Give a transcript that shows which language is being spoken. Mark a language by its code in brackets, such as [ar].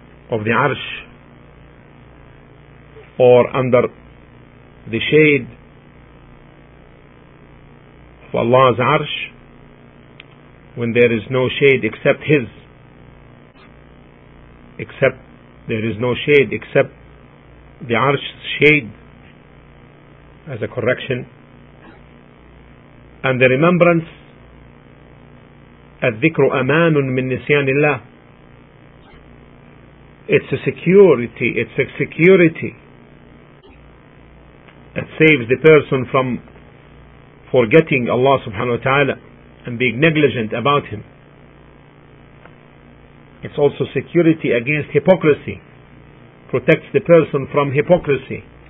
[en] of the Arsh, or under the shade of Allah's Arsh, when there is no shade except His, except there is no shade except the Arsh's shade, as a correction. And the remembrance, [ar] الذكر أمان من نسيان الله. [en] It's a security that saves the person from forgetting Allah subhanahu wa ta'ala and being negligent about Him. It's also security against hypocrisy, protects the person from hypocrisy.